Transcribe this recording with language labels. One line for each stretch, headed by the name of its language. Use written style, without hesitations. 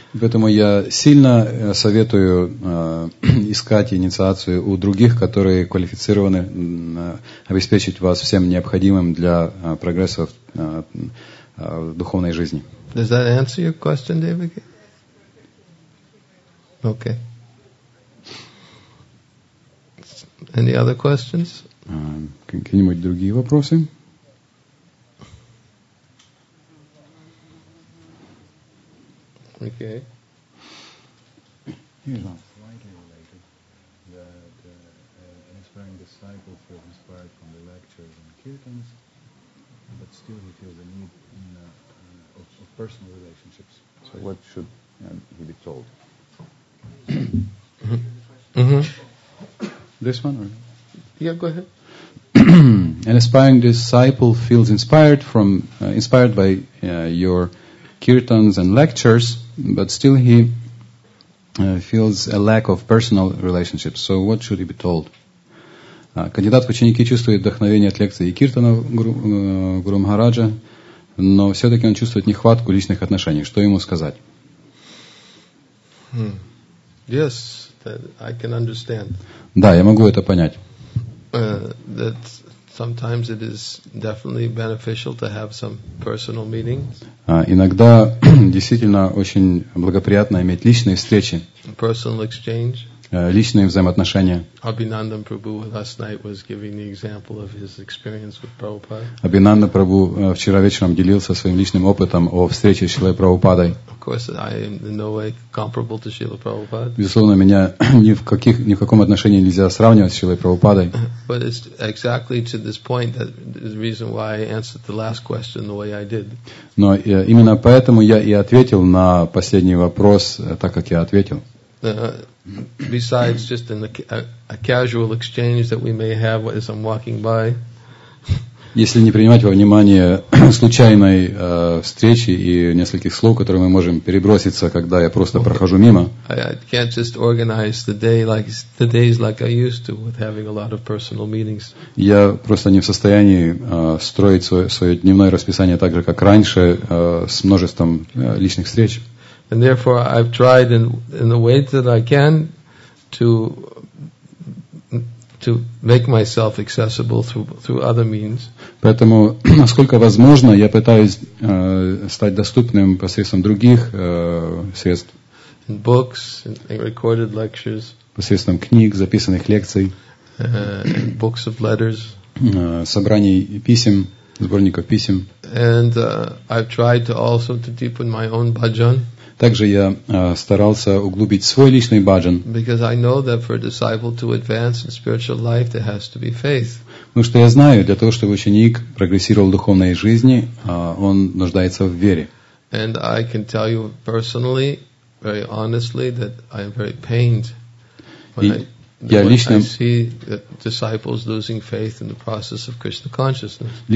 Russian: Поэтому я сильно советую искать инициацию у других, которые квалифицированы обеспечить вас всем необходимым для прогресса в духовной жизни.
English: Does that answer your question, David? Okay. Any other questions?
Russian: Какие-нибудь другие вопросы?
English: Okay. Yeah. Slightly related, that an aspiring disciple feels inspired from the lectures and kirtans, but still he feels a need of personal relationships. So what should he be told? This one? Or? Yeah, go ahead. An aspiring disciple feels inspired by your kirtans and lectures, but still he feels a lack of personal relationships. So what should he be told?
Russian: Кандидат в ученики чувствует вдохновение от лекций и киртанов Гуру Махараджа, но все-таки он чувствует нехватку личных отношений. Что ему сказать?
English: Yes, that I can understand.
Russian: Да, я могу это понять.
English: That Sometimes it is definitely beneficial to have some personal meetings.
Russian: Иногда действительно очень благоприятно иметь личные встречи.
English: Personal exchange.
Russian: Личные взаимоотношения.
English: Abhinanda Prabhu last night was giving the example of his experience with Prabhupada.
Russian: Abhinanda Prabhu вчера вечером делился своим личным опытом о встрече с Шрилой Прабхупадой.
English: Of course, I am in no way comparable to Srila Prabhupada.
Russian: Безусловно, меня ни в каком отношении нельзя сравнивать с Шрилой Прабхупадой.
English: But it's exactly to this point that the reason why I answered the last question the way I did.
Russian: Но именно поэтому я и ответил на последний вопрос так, как я ответил.
English: Besides just a casual exchange that we may have as I'm walking by.
Russian: Если не принимать во внимание случайной встречи и нескольких слов, которые мы можем переброситься, когда я просто прохожу мимо.
English: I can't just organize the day like the days like I used to with having a lot of personal meetings.
Russian: Я просто не в состоянии строить свое дневное расписание так же, как раньше, с множеством личных встреч.
English: And therefore, I've tried in the way that I can to make myself accessible through other means.
Russian: Поэтому, насколько возможно, я пытаюсь стать доступным посредством других средств.
English: In books, in recorded lectures.
Russian: Посредством книг, записанных лекций.
English: Books of letters.
Russian: Собраний писем, сборников писем.
English: And I've tried to also to deepen my own bhajan.
Russian: Также я старался углубить свой личный баджан.
English: Because I know that for a disciple to advance in spiritual life, there has to be faith.
Russian: Потому что я знаю, для того, чтобы ученик прогрессировал в духовной жизни, он нуждается в вере.
English: And I can tell you personally, very honestly, that I am very pained when I see disciples losing faith in the process of Krishna consciousness.